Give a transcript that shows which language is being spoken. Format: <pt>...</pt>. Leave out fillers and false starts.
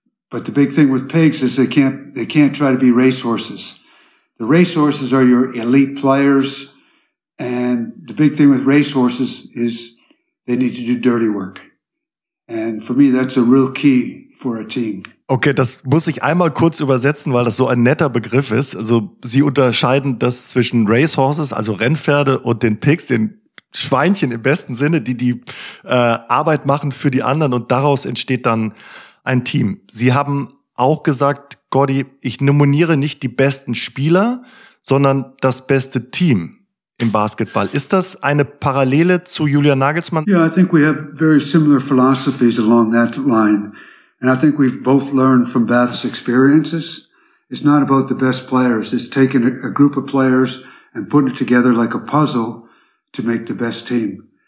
<en>But the big thing with pigs is they can't try to be racehorses. The racehorses are your elite players, and the big thing with racehorses is they need to do dirty work. And for me, that's a real key for a team.</en> <de>Okay, das muss ich einmal kurz übersetzen, weil das so ein netter Begriff ist. Also Sie unterscheiden das zwischen Racehorses, also Rennpferde, und den Pigs, den Schweinchen im besten Sinne, die Arbeit machen für die anderen, und daraus entsteht dann ein Team. Sie haben auch gesagt, Gordy, ich nominiere nicht die besten Spieler, sondern das beste Team im Basketball. Ist das eine Parallele zu Julian Nagelsmann?</de> <en>Yeah, I think we have very similar philosophies along that line. And I think we've both learned from Bath's experiences. It's not about the best players. It's taking a group of players and putting it together like a puzzle to make the best team.</en>